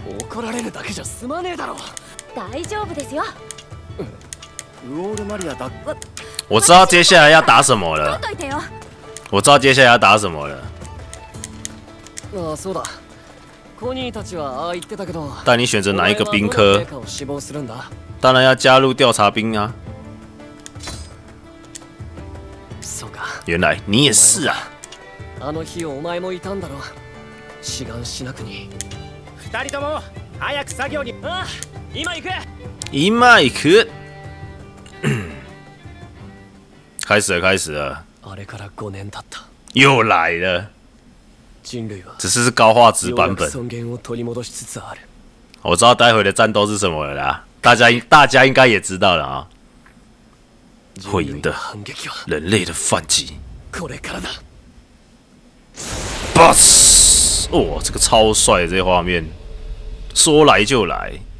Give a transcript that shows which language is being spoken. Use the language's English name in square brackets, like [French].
[Japanese] 怒られるだけじゃ済まねえだろ。大丈夫ですよ。ウォールマリアだ。 [Chinese] 我知道接下来要打什么了。我知道接下来要打什么了。 [Japanese] 啊，そうだ。コニーたちはああ言ってたけど。 [Chinese] 但你选择哪一个兵科？当然要加入调查兵啊！原来你也是啊！ [Japanese] あの日お前もいたんだろう。志願しなくに。二人とも早く作業に。あ、今行く。今行く。 [Chinese] 开始了，开始了。 [Japanese] あれから五年経った。 [Chinese] 又来了。 [Japanese] 人類は。 [Chinese] 只是高画质版本。 [Japanese] 尊厳を取り戻しつつある。 [Chinese] 我知道待会的战斗是什么了啦。大家应该也知道了啊，会赢的人类的反击。 Boss， 哇，这个超帅，这画面说来就来。